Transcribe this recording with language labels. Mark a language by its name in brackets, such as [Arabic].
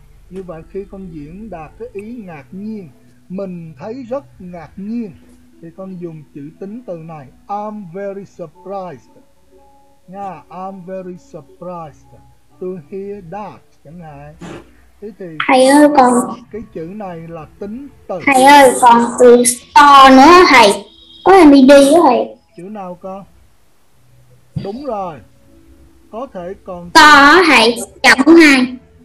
[Vietnamese] Như vậy khi con diễn đạt cái ý ngạc nhiên, mình thấy rất ngạc nhiên, thì con dùng chữ tính từ này. [English] I'm very surprised. Nha, yeah, I'm very surprised to hear that, [Vietnamese] chẳng hạn. Thế thì thầy ơi, còn cái chữ này là tính từ. Thầy ơi, còn từ to nữa thầy. Có thể đi á thầy. Chữ nào con? Đúng rồi. Có thể còn to thầy, chẳng hạn.